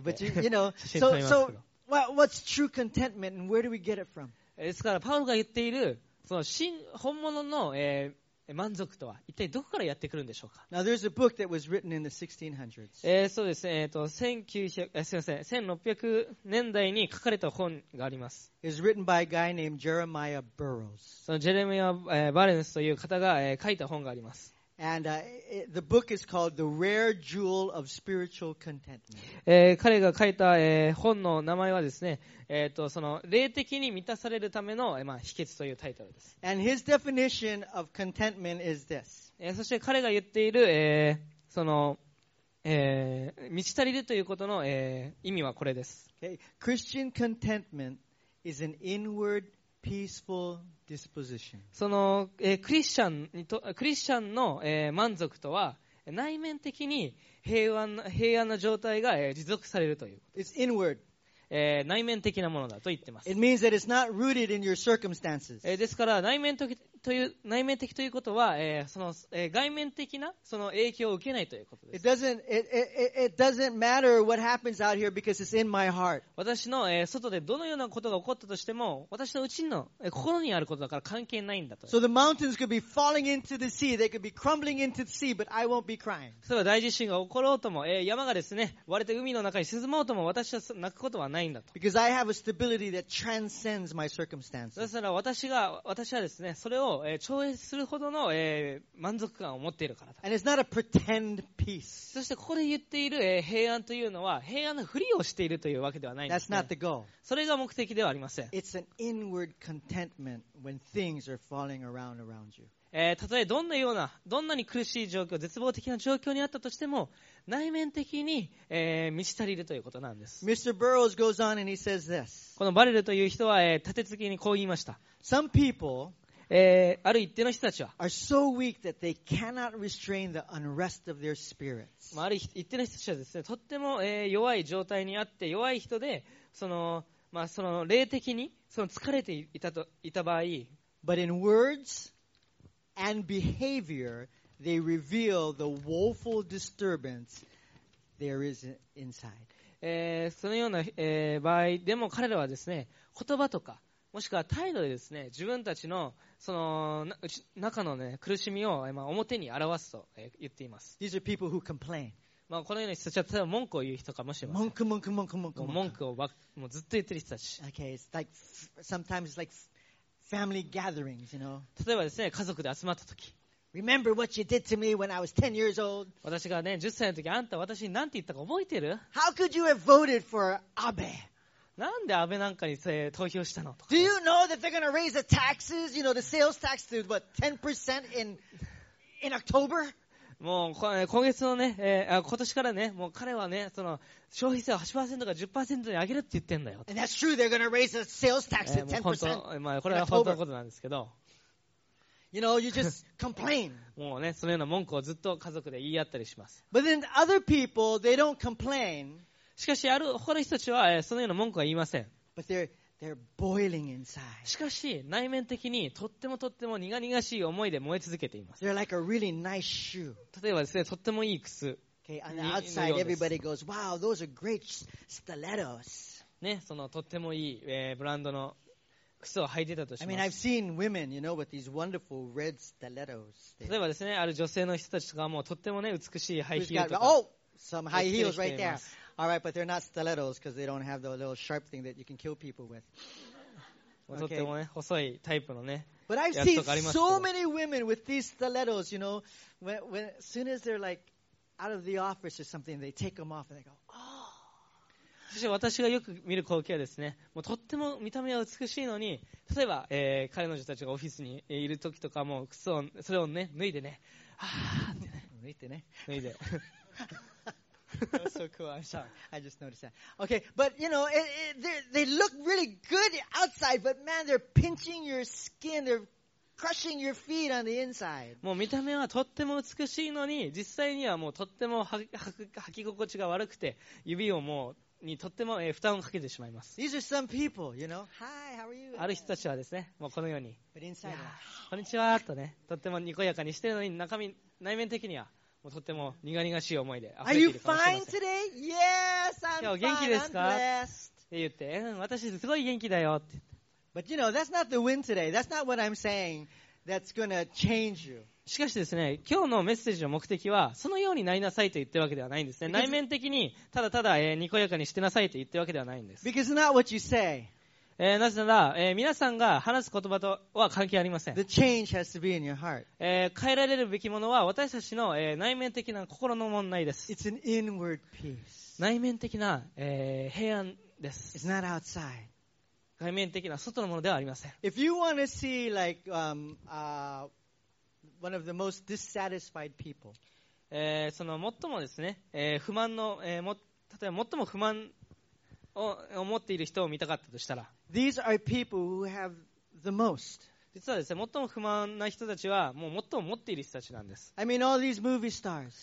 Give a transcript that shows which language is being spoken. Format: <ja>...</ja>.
<en>Okay, but you know, so what's true contentment and where do we get it from?</en> <ja>ですから、パウロが言っている、その本物の、満足とは、一体どこからやってくるんでしょうか?</ja> <en>Now, there's a book that was written in the 1600s.</en> <ja>そうですね、1600年代に書かれた本があります。</ja> <en>It's written by a guy named Jeremiah Burroughs.</en> <ja>そのジェレミア・バレンスという方が、書いた本があります。</ja> <en>And the book is called The Rare Jewel of Spiritual Contentment.</en> <ja>彼が書いた、本の名前はですね、その霊的に満たされるための、まあ、秘訣というタイトルです。</ja> <en>And his definition of contentment is this.</en> <ja>そして彼が言っている、その、満ち足りるということの、意味はこれです。</ja> <en>Okay. Christian contentment is an inward peaceful disposition.</en> <ja>その、クリスチャンにと、クリスチャンの、満足とは内面的に平安な状態が、持続されるということです。</ja> <en>It's inward.</en> <ja>内面的なものだと言ってます。</ja> <en>It means that it's not rooted in your circumstances.</en> <ja>ですから内面的ということは、その、外面的なその影響を受けないということです。</ja> <en>It doesn't matter what happens out here because it's in my heart.</en> <ja>私の、外でどのようなことが起こったとしても、私の内の、心にあることだから関係ないんだと。</ja> <en>So the mountains could be falling into the sea, they could be crumbling into the sea, but I won't be crying.</en> <ja>それは大地震が起ころうとも、山がですね、割れて海の中に沈もうとも、私は泣くことはないんだと。</ja> <en>Because I have a stability that transcends my circumstances.</en> <ja>ですから私はですね、それを超越するほどの満足感を持っているからだ。</ja> <en>And it's not a pretend peace.</en> <ja>そしてここで言っている平安というのは平安のふりをしているというわけではないんですね。</ja> <en>That's not the goal.</en> <ja>それが目的ではありません。</ja> <en>It's an inward contentment when things are falling around you.</en> <ja>たとえどんなに苦しい状況、絶望的な状況にあったとしても、内面的に、満ち足りるということなんです。</ja> <en>Mr. Burroughs goes on and he says this.</en> <ja>このバレルという人は、立て続けにこう言いました。</ja> <en>Some people.</en> <ja>ある一定の人たちは、ある一定の人たちはですね、とっても、弱い状態にあって、弱い人で、その、まあ、その霊的にその疲れていたと、いた場合、</ja> <en>But in words and behavior, they reveal the woeful disturbance there is inside.</en> <ja>そのような、場合でも彼らはですね、言葉とか、もしくは態度でですね、自分たちのその中の、ね、苦しみを表に表すと言っています。</ja> <en>These are people who complain.</en> <ja>まあこのような人たちは例えば文句を言う人かもしれません。文句。文句をもうずっと言ってる人たち。</ja> <en>Okay, it's like sometimes it's like family gatherings, you know.</en> <ja>例えばですね、家族で集まったとき。</ja> <en>Remember what you did to me when I was 10 years old?</en> <ja>私がね、10歳のとき、あんた私に何て言ったか覚えてる</ja> <en>？How could you have voted for Abe?</en> <ja>なんで安倍なんかに投票したのとか。</ja> <en>Do you know that they're gonna raise the taxes, you know, the sales tax to what 10% in October?</en> <ja>もう今月のね、今年からね、もう彼はね、その消費税を 8% か 10% に上げるって言ってんだよ。</ja> <en>And that's true. They're gonna raise the sales tax to 10% in October.</en> <ja>まあこれは本当のことなんですけど。</ja> <en>You know, you just complain.</en> <ja>もうね、そのような文句をずっと家族で言い合ったりします。</ja> <en>But then other people, they don't complain.</en> <ja>しかし、ある他の人たちは、そのような文句は言いません。</ja> <en>But they're boiling inside.</en> <ja>しかし、内面的にとってもとっても苦々しい思いで燃え続けています。</ja> <en>They're like a really nice shoe.</en> <ja>例えばですね、とってもいい靴。</ja> <en>Okay, on the outside, everybody goes, wow, those are great stilettos.</en> <ja>ね、そのとってもいい、ブランドの靴を履いてたとします。</ja> <en>I mean, I've seen women, you know, with these wonderful red stilettos.</en> <ja>例えばですね、ある女性の人たちとかはもうとってもね、美しいハイヒールとか。</ja> <en>Oh, some high heels right there. All right, but they're not stilettos because they don't have the little sharp thing that you can kill people with. Okay. But I've seen so many women with these stilettos, you know, when as soon as they're like out of the office or something, they take them off and they go, oh.</en> <ja>そして私がよく見る光景はですね、もうとっても見た目は美しいのに、例えば、彼女たちがオフィスにいる時とかも靴をそれを、ね、脱いでね、脱いでね、脱いで。</ja> <en>That was so cool. I'm sorry. I just noticed that. Okay, but you know, they look really good outside, but man, they're pinching your skin. They're crushing your feet on the inside.</en> <ja>もう見た目はとっても美しいのに、実際にはもうとっても履き心地が悪くて、指をもうにとっても負担をかけてしまいます。</ja> <en>These are some people, you know. Hi, how are you?</en> <ja>ある人たちはですね、もうこのように。</ja> <en>But inside,</en> <ja>こんにちはとね、とってもにこやかにしてるのに、中身内面的には。もうとっても苦々しい思いで溢れているかもしれません。</ja> <en>Are you fine today? Yes, I'm fine.</en> <ja>元気ですか？って言って、私すごい元気だよって。</ja> <en>But you know, that's not the win today. That's not what I'm saying. That's gonna change you.</en> <ja>しかしですね、今日のメッセージの目的はそのようになりなさいと言ってるわけではないんですね。内面的にただただにこやかにしてなさいと言ってるわけではないんです。</ja> <en>Because it's not what you say.</en> <ja>なぜなら、皆さんが話す言葉とは関係ありません。</ja> <en>The change has to be in your heart.</en> <ja>変えられるべきものは私たちの、内面的な心の問題です。</ja> <en>It's an inward peace.</en> <ja>内面的な、平安です。</ja> <en>It's not outside.</en> <ja>外面的な外のものではありません。</ja> <en>If you want to see like, one of the most dissatisfied people.</en> <ja>その最もですね、不満の、も例えば最も不満を持っている人を見たかったとしたら、</ja> <en>These are people who have the most.</en> <ja>実はですね、最も不満な人たちはもう最も持っている人たちなんです。</ja> <en>I mean, all these movie stars.</en>